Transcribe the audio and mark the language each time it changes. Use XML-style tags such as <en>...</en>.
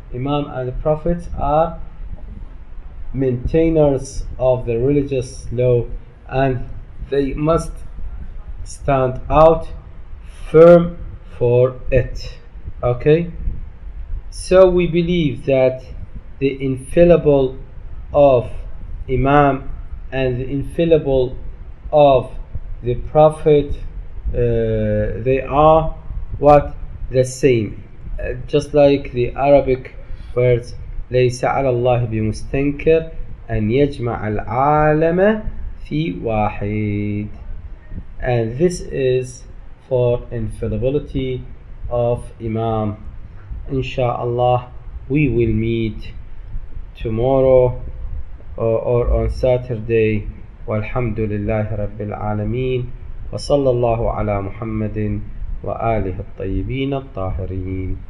<en>Imam and the Prophets are maintainers of the religious law, and they must stand out firm for it. Okay, so we believe that the infallible of Imam and the infallible of the Prophet, they are what? The same, just like the Arabic words,</en> <ar>ليس على الله بمستنكر أن يجمع العالم في واحد.</ar> <en>And this is for infallibility of Imam. Insha'Allah, we will meet tomorrow or on Saturday.</en> <ar>والحمد لله رب العالمين وصلى الله على محمد وآله الطيبين الطاهرين.</ar>